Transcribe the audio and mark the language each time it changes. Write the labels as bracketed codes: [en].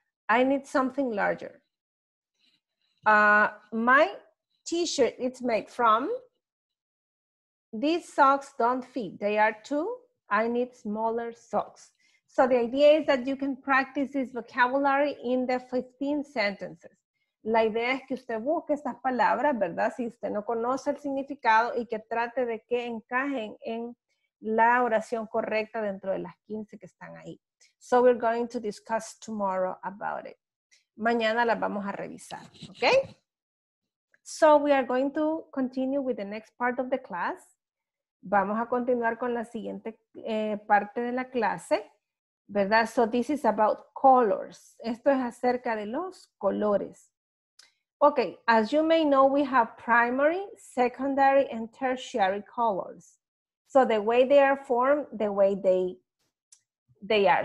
[en] I need something larger. My t-shirt is made from, these socks don't fit, they are too, I need smaller socks. So the idea is that you can practice this vocabulary in the 15 sentences. [es] La idea es que usted busque estas palabras, ¿verdad? Si usted no conoce el significado y que trate de que encajen en la oración correcta dentro de las 15 que están ahí. [en] So we're going to discuss tomorrow about it. [es] Mañana las vamos a revisar, [en] okay? So we are going to continue with the next part of the class. [es] Vamos a continuar con la siguiente parte de la clase, ¿verdad? [en] So this is about colors. [es] Esto es acerca de los colores. [en] Okay, as you may know, we have primary, secondary, and tertiary colors. So the way they are formed, the way they are.